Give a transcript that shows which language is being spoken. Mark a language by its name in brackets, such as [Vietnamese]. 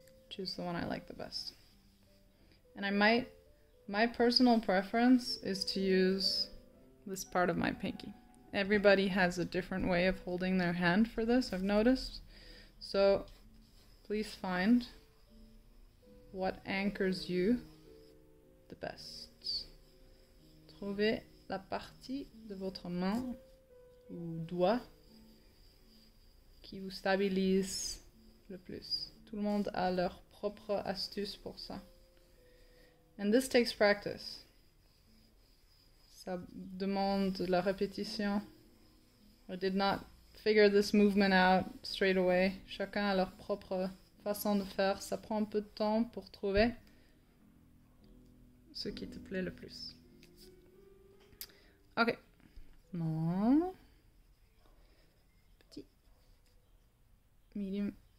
[English] Choose the one I like the best. And I might. My personal preference is to use this part of my pinky. Everybody has a different way of holding their hand for this, I've noticed. So please find what anchors you the best. [French] Trouvez la partie de votre main ou doigt qui vous stabilise le plus. Tout le monde a leur propre astuce pour ça. [English] And this takes practice. [French] Ça demande la répétition. [English] I did not figure this movement out straight away. [French] Chacun a leur propre façon de faire. Ça prend un peu de temps pour trouver ce qui te plaît le plus. Ok. Non. Petit. Medium.